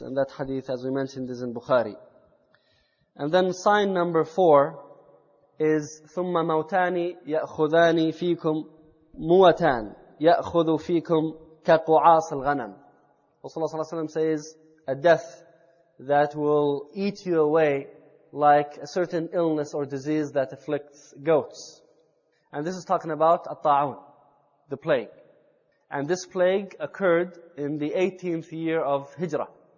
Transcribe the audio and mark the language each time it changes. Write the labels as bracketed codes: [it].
[en] And that hadith, as we mentioned, is in Bukhari. And then sign number 4 is [ar] ثُمَّ مَوْتَانِ يَأْخُذَانِ فِيكُمْ مُوَتَانِ يَأْخُذُ فِيكُمْ كَقُعَاصِ الْغَنَمِ. [en] Rasulullah sallallahu alayhi wa sallam says, a death that will eat you away like a certain illness or disease that afflicts goats. And this is talking about At-Ta'un, the plague. And this plague occurred in the 18th year of Hijrah.